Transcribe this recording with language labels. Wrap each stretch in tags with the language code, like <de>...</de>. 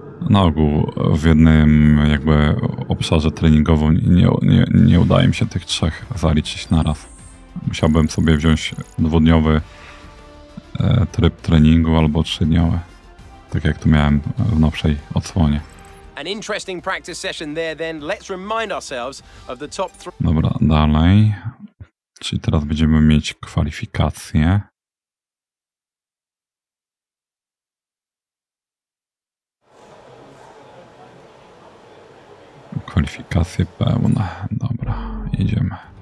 <pl>Na ogół w jednym jakby obszarze treningowym nie udaje mi się tych trzech zaliczyć naraz. Musiałbym sobie wziąć dwudniowy tryb treningu albo trzydniowy. Tak jak to miałem w nowszej odsłonie.</pl> <en>An interesting practice session there then. Let's remind ourselves of the top three.</en> <pl>Dobra, dalej. Czyli teraz będziemy mieć kwalifikacje. Kwalifikacje pełne. Dobra, idziemy.</pl>